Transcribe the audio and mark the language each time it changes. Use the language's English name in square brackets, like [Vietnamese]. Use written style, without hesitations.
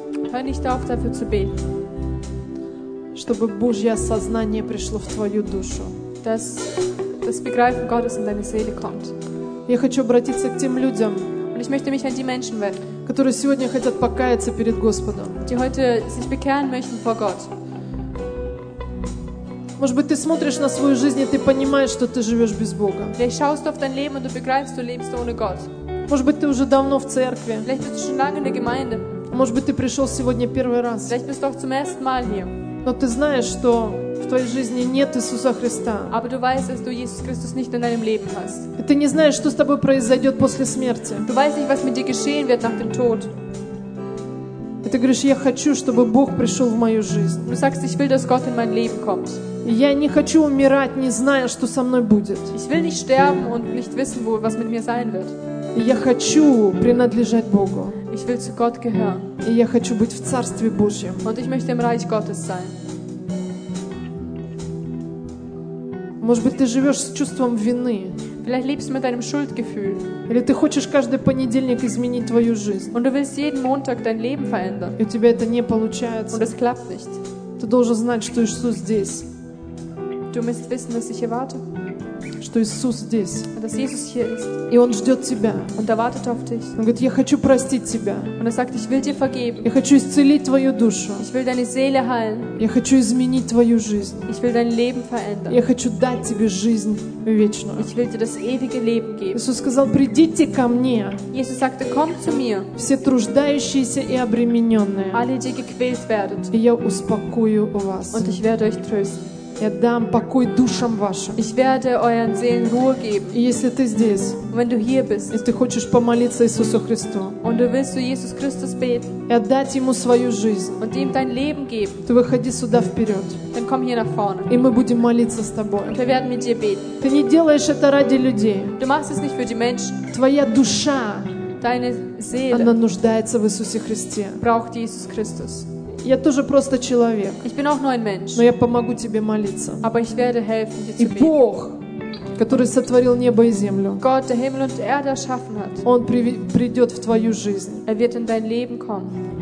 [German] Hör nicht auf dafür zu beten. [Russian] Чтобы Божье сознание пришло в твою душу. [German] Das Begreifen Gottes in deine Seele kommt. [Russian] Я хочу обратиться к тем людям, [German] und ich möchte mich an die Menschen wenden, [Russian] которые сегодня хотят покаяться перед Господом. [German] Die heute sich bekehren möchten vor Gott. [Russian] Может быть, ты смотришь на свою жизнь и ты понимаешь, что ты живешь без Бога. [German] Vielleicht schaust du auf dein Leben und du begreifst, du lebst ohne Gott. [Russian] Может быть, ты уже давно в церкви. [German] Vielleicht bist du schon lange in der Gemeinde. [Russian] Может быть, ты пришел сегодня первый раз. [German] Vielleicht bist du auch zum ersten Mal hier. [Russian] Но ты знаешь, что в твоей жизни нет Иисуса Христа. [German] Aber du weißt, dass du Jesus Christus nicht in deinem Leben hast. [Russian] И ты не знаешь, что с тобой произойдет после смерти. [German] Du weißt nicht, was mit dir geschehen wird nach dem Tod. [Russian] И ты говоришь, я хочу, чтобы Бог пришел в мою жизнь. [German] Du sagst, ich will, dass Gott in mein Leben kommt. [Russian] Я не хочу умирать, не зная, что со мной будет. [German] Ich will nicht sterben und nicht wissen, wo, was mit mir sein wird. [Russian] Я хочу принадлежать Богу. [German] Ich will zu Gott gehören. [Russian] И я хочу быть в Царстве Божьем. [German] Und ich möchte im Reich Gottes sein. [Russian] Может быть, ты живешь с чувством вины. [German] Vielleicht lebst du mit einem Schuldgefühl. [Russian] Или ты хочешь каждый понедельник изменить твою жизнь. [German] Und du willst jeden Montag dein Leben verändern. [Russian] И у тебя это не получается. [German] Und es klappt nicht. [Russian] Ты должен знать, что Иисус здесь. [German] Du musst wissen, dass ich hier warte. [Russian] Что Иисус здесь. [German] Dass Jesus hier ist. [Russian] И Он ждет тебя. [German] Und er wartet auf dich. [Russian] Он говорит, я хочу простить тебя. [German] Und er sagt, ich will dir vergeben. [Russian] Я хочу исцелить твою душу. [German] Ich will deine Seele heilen. [Russian] Я хочу изменить твою жизнь. [German] Ich will dein Leben verändern. [Russian] Я хочу дать тебе жизнь вечную. [German] Ich will dir das ewige Leben geben. [Russian] Иисус сказал, придите ко мне. [German] Jesus sagte, komm zu mir. [Russian] Все труждающиеся и обремененные. [German] Alle, die gequält werden. [Russian] И я успокою вас. [German] Und ich werde euch trösten. [Russian] Я дам покой душам вашим. [German] Ich werde euren Seelen Ruhe geben. [Russian] И если ты здесь, [German] wenn du hier bist, [Russian] если ты хочешь помолиться Иисусу Христу, [German] und du willst zu Jesus Christus beten, [Russian] и отдать ему свою жизнь, [German] und ihm dein Leben geben, [Russian] то выходи сюда вперед. [German] Dann komm hier nach vorne. [Russian] И мы будем молиться с тобой. [German] Und wir werden mit dir beten. [Russian] Ты не делаешь это ради людей. [German] Du machst es nicht für die Menschen. [Russian] Твоя душа, [German] deine Seele, [Russian] она нуждается в Иисусе Христе. [German] Braucht Jesus Christus. [Russian] Я тоже просто человек. [German] Ich bin auch nur ein Mensch. [Russian] Но я помогу тебе молиться. [German] Aber ich werde helfen, dir zu beten. [Russian] И Бог, который сотворил небо и землю, [German] Gott, der Himmel und Erde erschaffen hat, [Russian] Он придет в твою жизнь. [German] Er wird in dein Leben kommen.